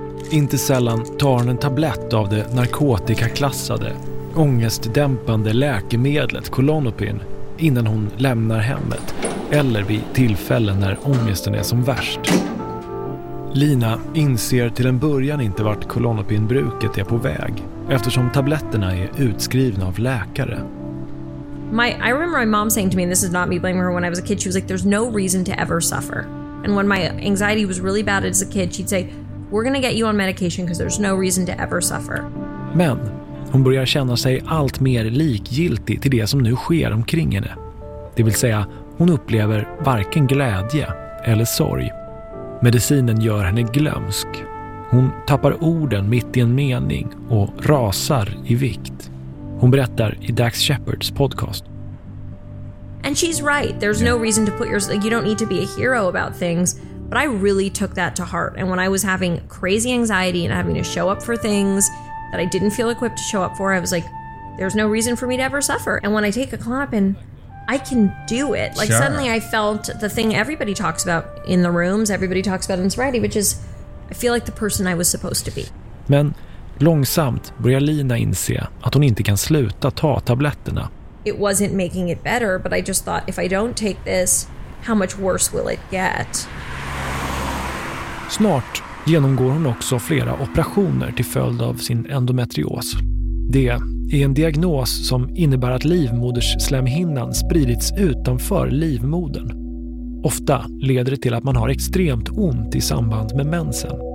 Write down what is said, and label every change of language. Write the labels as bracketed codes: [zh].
[sv] Inte sällan tar hon en tablett av det narkotikaklassade, ångestdämpande läkemedlet Klonopin innan hon lämnar hemmet eller vid tillfällen när ångesten är som värst. Lina inser till en början inte vart Klonopin-bruket är på väg eftersom tabletterna är utskrivna av läkare. [en] I remember my mom saying to me, and this is not me blaming her, when I was a kid, she was like, there's no reason to ever suffer. And when my anxiety was really bad as a kid, she'd say, we're gonna get you on medication because there's no reason to ever suffer. [sv] Men hon börjar känna sig allt mer likgiltig till det som nu sker omkring henne. Det vill säga, hon upplever varken glädje eller sorg. Medicinen gör henne glömsk. Hon tappar orden mitt i en mening och rasar i vikt. Hon berättar i Dax Shepherds podcast. [en] And she's right. There's no reason to put yourself, like, you don't need to be a hero about things. But I really took that to heart. And when I was having crazy anxiety and having to show up for things that I didn't feel equipped to show up for, I was like, there's no reason for me to ever suffer. And when I take a Klonopin, I can do it. Like, sure. Suddenly I felt the thing everybody talks about in the rooms, everybody talks about in sobriety, which is, I feel like the person I was supposed to be. [sv] Men långsamt börjar Lina inse att hon inte kan sluta ta tabletterna. [en] It wasn't making it better, but I just thought, if I don't take this, how much worse will it get? [sv] Snart genomgår hon också flera operationer till följd av sin endometrios. Det är en diagnos som innebär att livmoderslemhinnan spridits utanför livmodern. Ofta leder det till att man har extremt ont i samband med mensen.